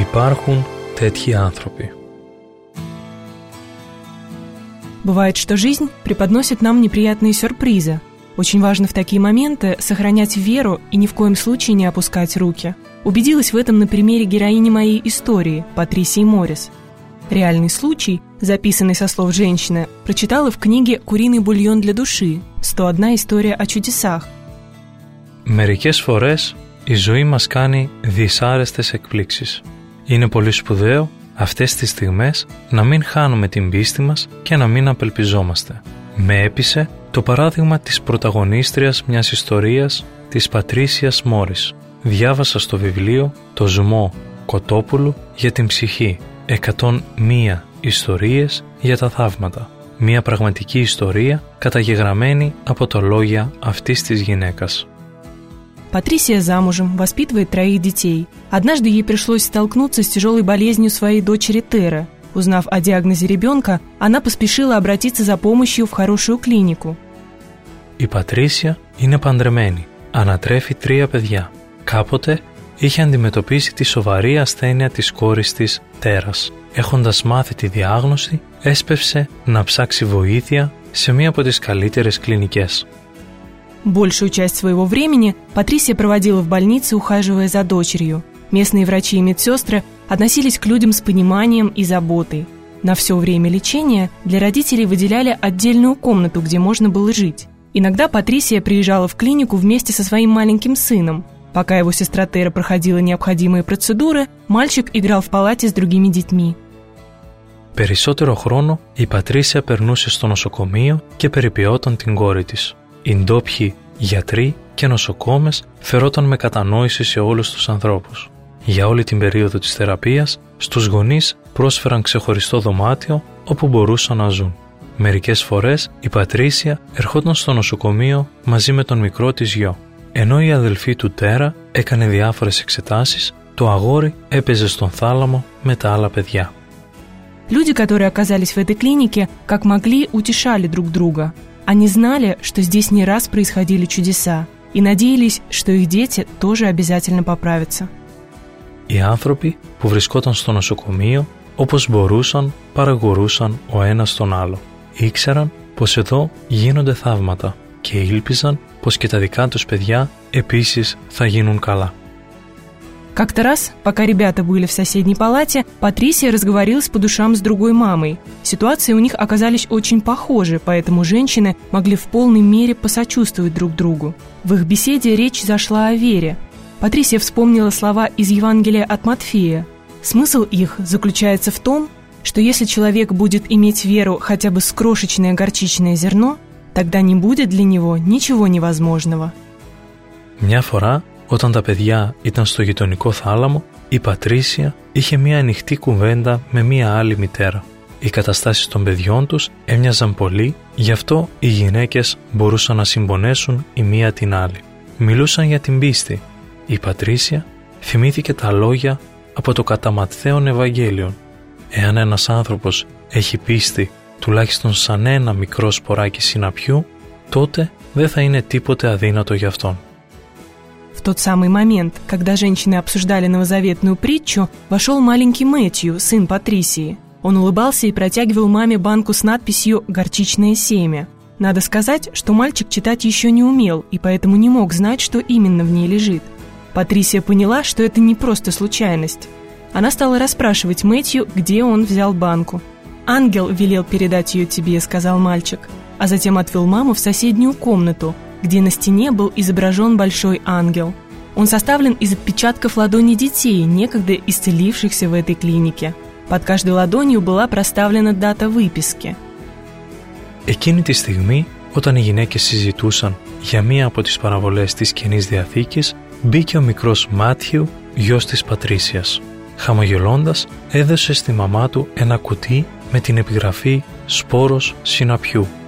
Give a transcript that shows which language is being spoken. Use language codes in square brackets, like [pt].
[el] Υπάρχουν τέτοιοι άνθρωποι. [ru] Бывает, что жизнь преподносит нам неприятные сюрпризы. Очень важно в такие моменты сохранять веру и ни в коем случае не опускать руки. Убедилась в этом на примере героини моей истории, Патрисии Моррис. Реальный случай, записанный со слов женщины, прочитала в книге «Куриный бульон для души. 101 история о чудесах». [el] Μερικές φορές η ζωή μας κάνει δυσάρεστες εκπλήξεις. Είναι πολύ σπουδαίο αυτές τις στιγμές να μην χάνουμε την πίστη μας και να μην απελπιζόμαστε. Με έπεισε το παράδειγμα της πρωταγωνίστριας μιας ιστορίας, της Πατρίσιας Μόρις. Διάβασα στο βιβλίο «Το ζουμό Κοτόπουλου για την ψυχή. 101 ιστορίες για τα θαύματα». Μια πραγματική ιστορία καταγεγραμμένη από τα λόγια αυτής της γυναίκας. [ru] Πατρίσια замужем, воспитывает троих детей. Однажды ей пришлось столкнуться с тяжелой болезнью своей дочери Теры. Узнав о диагнозе ребенка, она поспешила обратиться за помощью в хорошую клинику. [el] Η Πατρίσια είναι παντρεμένη. Ανατρέφει τρία παιδιά. Κάποτε είχε αντιμετωπίσει τη σοβαρή ασθένεια της κόρης της, Τέρας. Έχοντας μάθει τη διάγνωση, έσπευσε να ψάξει βοήθεια σε μία από τις καλύτερες κλινικές. [ru] Большую часть своего времени Πατρίσια проводила в больнице, ухаживая за дочерью. Местные врачи и медсестры относились к людям с пониманием и заботой. На все время лечения для родителей выделяли отдельную комнату, где можно было жить. Иногда Патрисия приезжала в клинику вместе со своим маленьким сыном. Пока его сестра Тера проходила необходимые процедуры, мальчик играл в палате с другими детьми. [el] Περισσότερο χρόνο η Πατρίσια περνούσε στο νοσοκομείο και περιποιόταν την κόρη της. Οι ντόπιοι γιατροί και νοσοκόμες φερόταν με κατανόηση σε όλους τους ανθρώπους. Για όλη την περίοδο της θεραπείας, στους γονείς πρόσφεραν ξεχωριστό δωμάτιο όπου μπορούσαν να ζουν. Μερικές φορές η Πατρίσια ερχόταν στο νοσοκομείο μαζί με τον μικρό της γιο. Ενώ η αδελφή του Τέρα έκανε διάφορες εξετάσεις, το αγόρι έπαιζε στον θάλαμο με τα άλλα παιδιά. [ru] Люди, которые оказались в этой клинике, как могли, утешали друг друга. Они знали, что здесь не раз происходили чудеса, и надеялись, что их дети тоже обязательно поправятся. [el] Οι άνθρωποι που βρισκόταν στο νοσοκομείο, όπως μπορούσαν, παρηγορούσαν ο ένας τον άλλο. Ήξεραν πως εδώ γίνονται θαύματα και ήλπιζαν πως και τα δικά τους παιδιά επίσης θα γίνουν καλά. [ru] Как-то раз, пока ребята были в соседней палате, Патрисия разговорилась по душам с другой мамой. Ситуации у них оказались очень похожи, поэтому женщины могли в полной мере посочувствовать друг другу. В их беседе речь зашла о вере. Патрисия вспомнила слова из Евангелия от Матфея. Смысл их заключается в том, что если человек будет иметь веру хотя бы с крошечное горчичное зерно, тогда не будет для него ничего невозможного. [el] Όταν τα παιδιά ήταν στο γειτονικό θάλαμο, η Πατρίσια είχε μία ανοιχτή κουβέντα με μία άλλη μητέρα. Οι καταστάσεις των παιδιών τους έμοιαζαν πολύ, γι' αυτό οι γυναίκες μπορούσαν να συμπονέσουν η μία την άλλη. Μιλούσαν για την πίστη. Η Πατρίσια θυμήθηκε τα λόγια από το κατά Ματθαίον Ευαγγέλιον. Εάν ένας άνθρωπος έχει πίστη τουλάχιστον σαν ένα μικρό σποράκι συναπιού, τότε δεν θα είναι τίποτε αδύνατο για αυτόν. [ru] В тот самый момент, когда женщины обсуждали новозаветную притчу, вошел маленький Мэтью, сын Патрисии. Он улыбался и протягивал маме банку с надписью «Горчичное семя». Надо сказать, что мальчик читать еще не умел и поэтому не мог знать, что именно в ней лежит. Патрисия поняла, что это не просто случайность. Она стала расспрашивать Мэтью, где он взял банку. «Ангел велел передать ее тебе», — сказал мальчик. А затем отвел маму в соседнюю комнату, где на стене был изображен большой ангел. Он составлен из отпечатков ладоней детей, некогда исцелившихся в этой клинике. Под каждой ладонью была проставлена дата выписки. [el] Εκείνη τη στιγμή, όταν οι γυναίκες συζητούσαν για μία από τις παραβολές της Καινής Διαθήκης, μπήκε ο μικρός Μάθιου, γιος της Πατρίσιας. Χαμογελώντας, έδωσε στη μαμά του ένα κουτί με την επιγραφή «Σπόρος συναπιού».